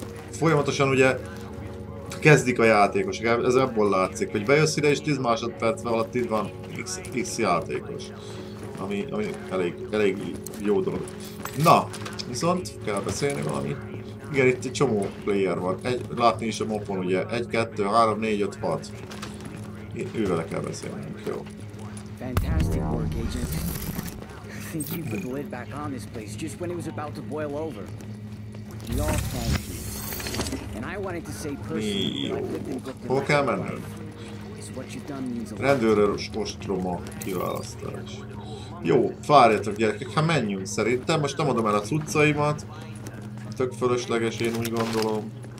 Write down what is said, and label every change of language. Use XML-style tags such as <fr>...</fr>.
<hu>Folyamatosan ugye kezdik a játékosok, ez ebből látszik, hogy bejössz ide és 10 másodperc alatt itt van X játékos. Ami elég jó dolog. Na, viszont kell beszélni valami. Igen, itt egy csomó player van. Látni is a mopon ugye. 1, 2, 3, 4, 5, 6. Ővel kell beszélnünk, jó.</hu> <en>Fantastic work, agent. I think you put the lid back on this place just when it was about to boil over. We all thank you. And I wanted to say personally,</en> <hu>rendőrös ostroma kiválasztás. Jó, várjatok gyerekek, ha menjünk szerintem, most nem adom el a cuccaimat. Tök fölösleges, én úgy gondolom.</hu>